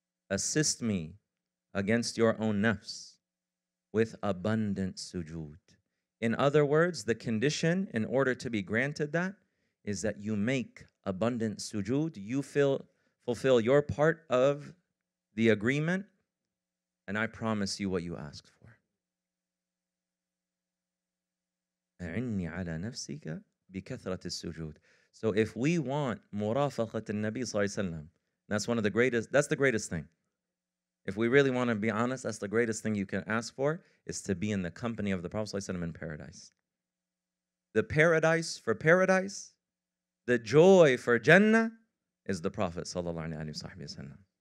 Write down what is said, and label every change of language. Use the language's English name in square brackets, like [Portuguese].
[English] Assist me against your own nafs with abundant sujood. In other words, the condition in order to be granted that is that you make abundant sujood, you fulfill your part of the agreement, and I promise you what you asked for. [Arabic] أعني على نفسك بكثرة السجود. [English] So if we want [Arabic] مرافقة النبي صلى الله عليه وسلم, [English] that's one of the greatest, that's the greatest thing. If we really want to be honest, that's the greatest thing you can ask for, is to be in the company of the Prophet صلى الله عليه وسلم in paradise. The paradise for paradise, the joy for Jannah is the Prophet sallallahu alaihi wasallam.